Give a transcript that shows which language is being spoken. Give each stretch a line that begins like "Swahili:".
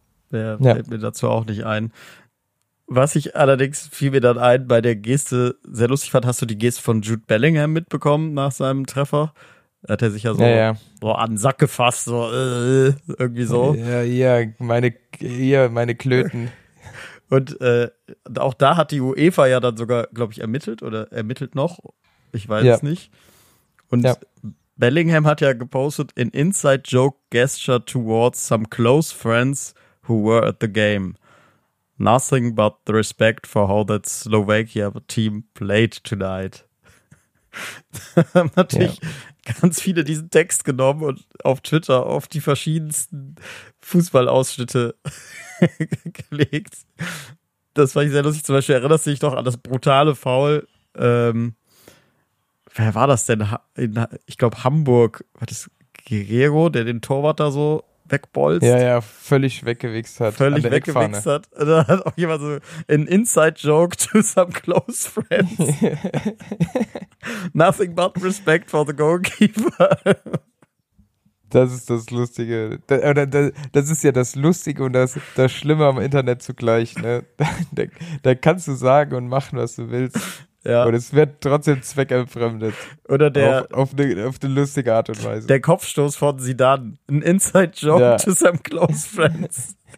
German: Fällt mir dazu auch nicht ein. Was ich allerdings fiel mir dann ein bei der Geste, sehr lustig fand, hast du die Geste von Jude Bellingham mitbekommen nach seinem Treffer? Hat er sich so an den Sack gefasst, so irgendwie so. Meine Klöten. Und auch da hat die UEFA ja dann sogar, glaube ich, ermittelt oder ermittelt noch, ich weiß es nicht.
English: Und Bellingham hat ja gepostet, an inside joke gesture towards some close friends who were at the game. Nothing but the respect for how that Slovakia team played tonight.
German: Natürlich ganz viele diesen Text genommen und auf Twitter auf die verschiedensten Fußballausschnitte gelegt. Das fand ich sehr lustig. Zum Beispiel erinnerst du dich doch an das brutale Foul. Wer war das denn? Ich glaube Hamburg. War das Guerrero, der den Torwart da so wegbolzt? Ja, völlig weggewichst hat. Völlig weggewichst hat. Und da hat auch jemand so ein Inside-Joke to some close friends.
English: Nothing but respect for the goalkeeper.
German: Das ist das Lustige. Das ist ja das Lustige und das Schlimme am Internet zugleich. Ne? Da kannst du sagen und machen, was du willst. Ja. Und es wird trotzdem zweckentfremdet. Oder der. Auf eine lustige Art und Weise. Der Kopfstoß von Zidane.
English: Ein Inside-Joke to some close friends.